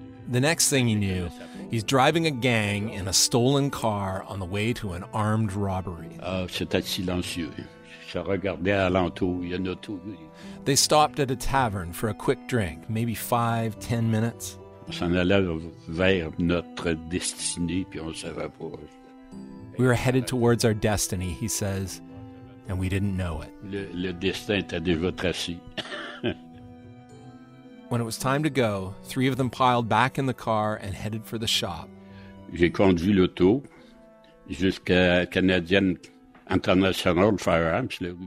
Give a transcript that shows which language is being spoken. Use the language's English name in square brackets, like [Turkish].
[English] The next thing he knew, he's driving a gang in a stolen car on the way to an armed robbery. [French] C'était silencieux. Je regardais alentour, il y en a tout. [English] They stopped at a tavern for a quick drink, maybe 5-10 minutes. [French] On s'en allait vers notre destinée, puis on se rapproche. [English] We were headed towards our destiny, he says, and we didn't know it. [French] Le destin était déjà tracé. [English] When it was time to go, three of them piled back in the car and headed for the shop. [French] J'ai conduit l'auto jusqu'à Canadienne International Firearms.